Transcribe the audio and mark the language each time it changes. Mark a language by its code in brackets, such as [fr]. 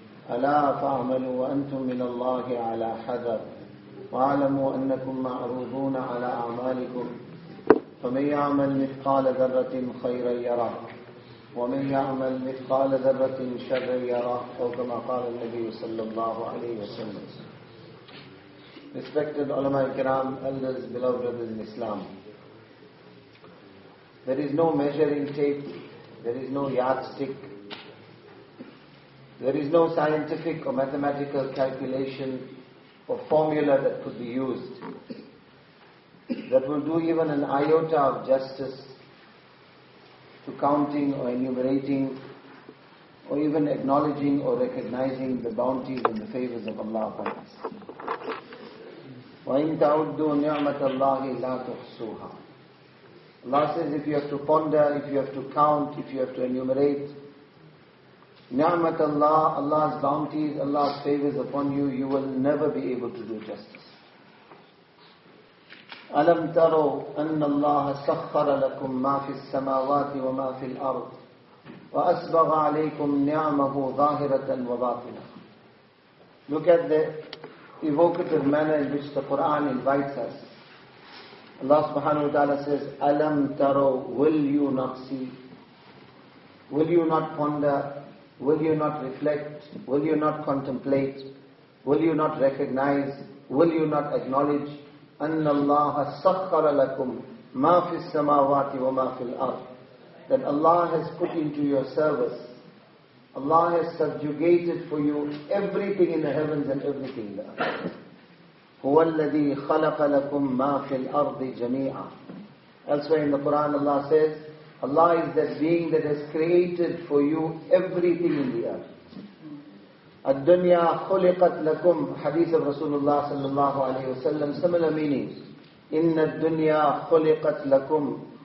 [ar] ألا فاعملوا وأنتم من الله على حذر واعلموا أنكم معروضون على أعمالكم فمن يعمل مثقال ذرة خيرا يره ومن يعمل مثقال ذرة شرا يره أو كما قال النبي صلى الله عليه وسلم [en] Respected ulama ikram, elders, beloved brothers in Islam. There is no measuring tape, there is no yardstick, there is no scientific or mathematical calculation or formula that could be used that will do even an iota of justice to counting or enumerating or even acknowledging or recognizing the bounties and the favors of Allah upon us. [ar] وَإِن تَعُدُّوا نِعْمَةَ اللَّهِ لَا تُحْصُوهَا [en] Allah says if you have to ponder, if you have to count, if you have to enumerate, [ar] نِعْمَةَ اللَّهِ [en] Allah's bounties, Allah's favors upon you, you will never be able to do justice. [ar] أَلَمْ تَرَوْا أَنَّ اللَّهَ سَخَّرَ لَكُمْ مَا فِي السَّمَاوَاتِ وَمَا فِي الْأَرْضِ وَأَسْبَغَ عَلَيْكُمْ نِعْمَهُ ظَاهِرَةً وَبَاطِنَةً [en] Look at the evocative manner in which the Quran invites us. Allah subhanahu wa ta'ala says, Alam taro, will you not see? Will you not ponder? Will you not reflect? Will you not contemplate? Will you not recognize? Will you not acknowledge? Anna Allah sakhkara lakum ma fi samawati wa ma fi al-ard. That Allah has put into your service, Allah has subjugated for you everything in the heavens and everything in the earth. [ar] هو الذي خلق لكم ما في الأرض جميعا. [en] Elsewhere in the Quran, Allah says, Allah is that being that has created for you everything in the earth. [ar] الدنيا خلقت لكم. [en] Hadith of Rasulullah sallallahu alaihi wasallam, similar meaning. [ar] إن الدنيا خلقت لكم.